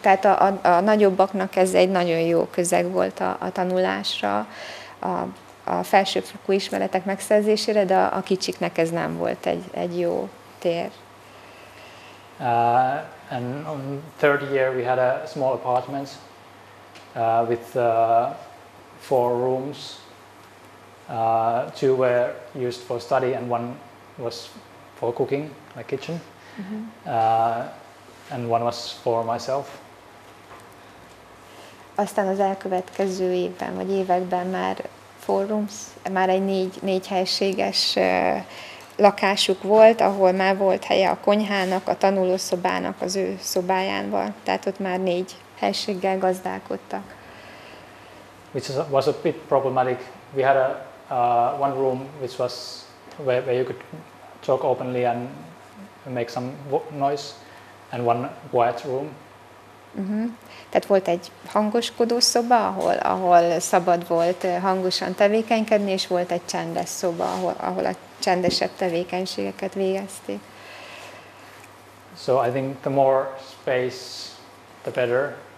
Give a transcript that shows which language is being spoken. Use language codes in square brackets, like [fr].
[hu] Tehát a nagyobbaknak ez egy nagyon jó közeg volt a tanulásra, a felsőfokú ismeretek megszerzésére, de a kicsiknek ez nem volt egy jó tér. [en] And on third year we had a small apartment with four rooms. Two were used for study and one was for cooking, like kitchen. Mm-hmm. And one was for myself. [hu] Aztán az elkövetkező évben, vagy években már forums, már egy négy helységes lakásuk volt, ahol már volt helye a konyhának, a tanulószobának, az ő szobáján van. Tehát ott már négy helységgel gazdálkodtak. [en] Which was a bit problematic. We had a one room which was where you could talk openly and make some noise. And one quiet room. Mm-hmm. [hu] Tehát volt egy hangoskodó szoba, ahol szabad volt hangosan tevékenykedni, és volt egy csendes szoba, ahol a csendesebb tevékenységeket végezték. [en] So I think the more space, the better.